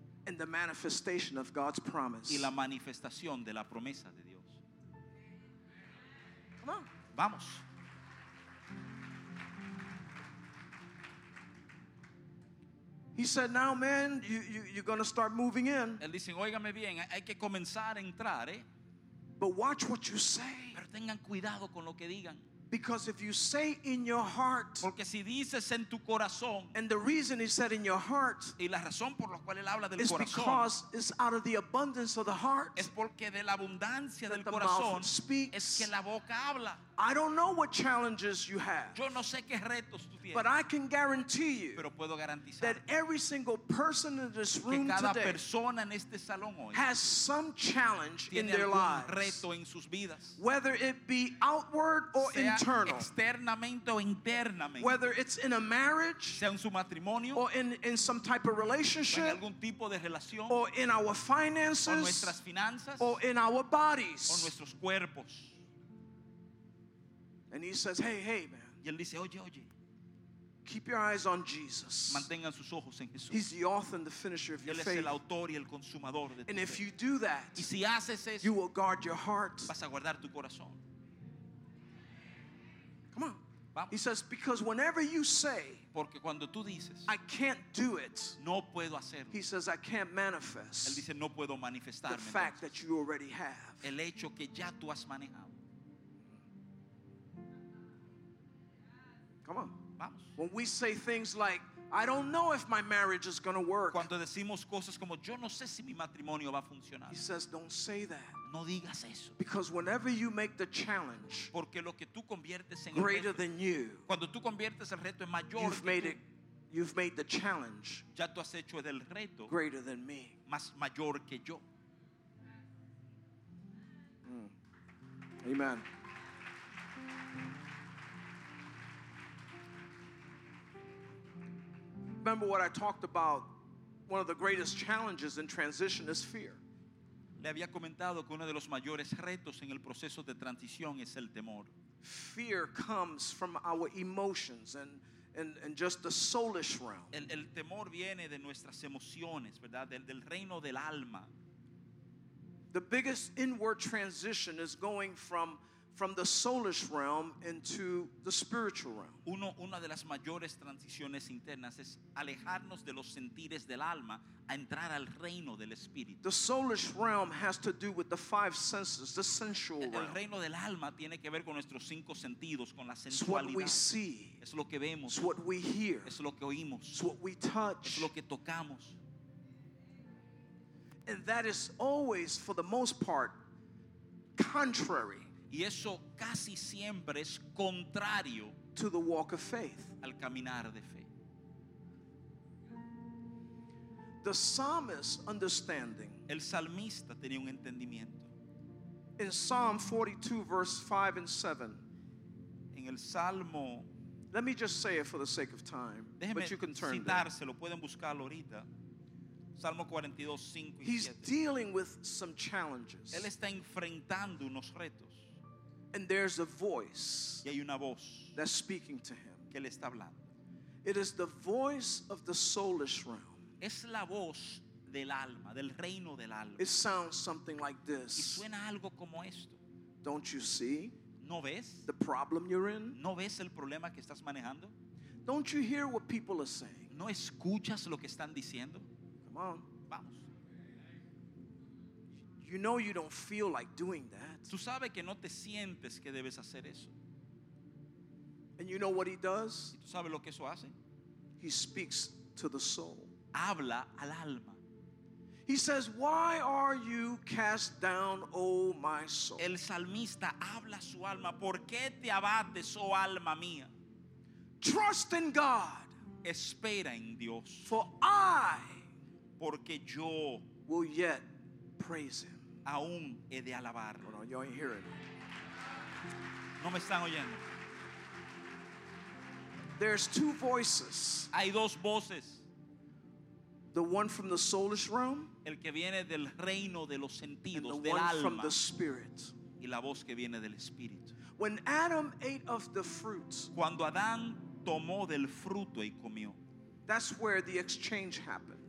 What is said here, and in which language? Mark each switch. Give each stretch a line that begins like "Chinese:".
English: and the manifestation of God's promise
Spanish: y la manifestación de la promesa de Dios.
English: Come on.
Spanish: Vamos.
English: He said, "Now, man, you're going to start moving in."
Spanish: Él dice, "Óigame bien, hay que comenzar a entrar, ¿eh?"
English: But watch what you say.
Spanish: Pero tengan cuidado con lo que digan.
English: Because if you say in your heart,
Spanish: porque si dices en tu corazón,
English: and the reason he said in your heart,
Spanish: y la razón por la cual él habla del
English: is
Spanish: corazón,
English: because it's out of the abundance of the heart,
Spanish: es porque de la abundancia del
English: the
Spanish: corazón,
English: mouth speaks,
Spanish: es que la boca habla.
English: I don't know what challenges you have,
Spanish: yo no sé qué retos tú tienes,
English: but I can guarantee you,
Spanish: pero puedo garantizar
English: that every single person in this room
Spanish: que cada
English: today
Spanish: persona en este salón hoy
English: has some challenge
Spanish: tiene
English: in their lives,
Spanish: algún reto en sus vidas,
English: whether it be outward or
Spanish: sea
English: internal.
Spanish: Externamente o internamente.
English: Whether it's in a marriage,
Spanish: sea en su matrimonio,
English: or in some type of relationship,
Spanish: en algún tipo de relación,
English: or in our finances,
Spanish: o nuestras finanzas,
English: or in our bodies,
Spanish: o nuestros cuerpos.
English: And he says, "Hey, man."
Spanish: Y él dice, "Oye, oye."
English: Keep your eyes on Jesus.
Spanish: Mantengan sus ojos en Jesús.
English: He's the author and the finisher of your faith.
Spanish: Él es el autor y el consumador de tu fe.
English: And if you do that,
Spanish: y si haces eso,
English: you will guard your heart.
Spanish: Vas a guardar tu corazón.
English: Come on.
Spanish: Vamos.
English: He says, because whenever you say,
Spanish: porque cuando tú dices,
English: I can't do it,
Spanish: no puedo hacerlo.
English: He says, I can't manifest.
Spanish: Él dice, no puedo manifestarme.
English: The fact that you already have.
Spanish: El hecho que ya tú has manejado.
English: Come on.
Spanish: Vamos.
English: When we say things like, I don't know if my marriage is going to work.
Spanish: Cuando decimos cosas como, yo no sé si mi matrimonio va a funcionar.
English: He says, don't say that.
Spanish: No digas eso.
English: Because whenever you make the challenge,
Spanish: porque lo que tú conviertes en
English: greater
Spanish: el reto,
English: than you,
Spanish: cuando tú conviertes el reto en mayor,
English: you've made
Spanish: tú,
English: it, you've made the challenge,
Spanish: ya tú has hecho del reto
English: greater than me,
Spanish: más mayor que yo. Mm. Amen.
English: Remember what I talked about, one of the greatest challenges in transition is fear.
Spanish: Le había comentado que uno de los mayores retos en el proceso de transición es el temor.
English: Fear comes from our emotions and just the soulish realm.
Spanish: El temor viene de nuestras emociones, ¿verdad? Del reino del alma.
English: The biggest inward transition is going from the soulish realm into the spiritual realm.
Spanish: Una de las mayores transiciones internas es alejarnos de los sentires del alma a entrar al reino del espíritu.
English: The soulish realm has to do with the five senses, the sensual realm.
Spanish: El reino del alma tiene que ver con nuestros cinco sentidos, con la sensualidad.
English: It's what we see.
Spanish: Es lo que vemos.
English: It's what we hear.
Spanish: Es lo que oímos.
English: It's what we touch.
Spanish: Es lo que tocamos.
English: And that is always, for the most part, contrary.
Spanish: Y eso casi siempre es contrario
English: to the walk of faith.
Spanish: Al caminar de fe.
English: The psalmist understanding.
Spanish: El salmista tenía un entendimiento.
English: In Psalm 42, verse 5 and 7.
Spanish: En el Salmo.
English: Let me just say it for the sake of time. But you can turn
Spanish: citárselo,
English: there.
Spanish: Pueden buscarlo ahorita. Salmo 42, 5 y
English: He's
Spanish: 7.
English: He's dealing with some challenges.
Spanish: Él está enfrentando unos retos.
English: And there's a voice
Spanish: y hay una voz
English: that's speaking to him.
Spanish: Que le está hablando.
English: It is the voice of the soulish realm.
Spanish: Es la voz del alma, del reino del alma.
English: It sounds something like this.
Spanish: Y suena algo como esto.
English: Don't you see?
Spanish: ¿No ves?
English: The problem you're in?
Spanish: ¿No ves el problema que estás manejando?
English: Don't you hear what people are saying?
Spanish: ¿No escuchas lo que están diciendo?
English: Come on.
Spanish: Vamos.
English: You know you don't feel like doing that.
Spanish: Tú sabes que no te sientes que debes hacer eso.
English: And you know what he does?
Spanish: ¿Y tú sabes lo que eso hace?
English: He speaks to the soul.
Spanish: Habla al alma.
English: He says, "Why are you cast down, oh my soul?"
Spanish: El salmista habla a su alma, ¿por qué te abates, oh alma mía?
English: Trust in God.
Spanish: Espera en Dios.
English: For I,
Spanish: porque yo,
English: will yet praise him.
Spanish: Aún he de alabarlo.
English: Oh, no, you ain't hearing it.
Spanish: No me están oyendo.
English: There's two voices.
Spanish: Hay dos voces.
English: The one from the soulish realm.
Spanish: El que viene del reino de los sentidos, del alma.
English: And the one from the spirit.
Spanish: Y la voz que viene del espíritu.
English: When Adam ate of the fruit.
Spanish: Cuando Adán tomó del fruto y comió.
English: That's where the exchange happened.